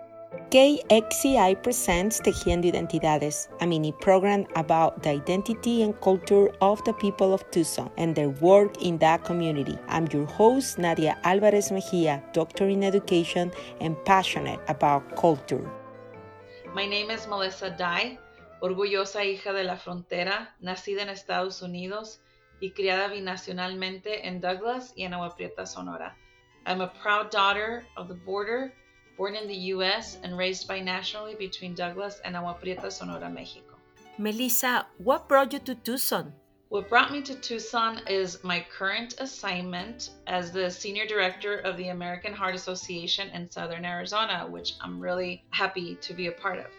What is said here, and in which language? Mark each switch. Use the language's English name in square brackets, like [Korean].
[English] KXEI presents Tejiendo Identidades, a mini program about the identity and culture of the people of Tucson and their work in that community. I'm your host, Nadia Alvarez Mejia, doctor in education and passionate about culture. My name is [Spanish] Melissa Dye, orgullosa hija de la frontera, nacida en Estados Unidos y criada binacionalmente en Douglas y en Agua Prieta, Sonora. [English] I'm a proud daughter of the border, born in the U.S. and raised binationally between Douglas and Agua Prieta, Sonora, Mexico. Melissa, what brought you to Tucson? What brought me to Tucson is my current assignment as the senior director of the American Heart Association in Southern Arizona, which I'm really happy to be a part of.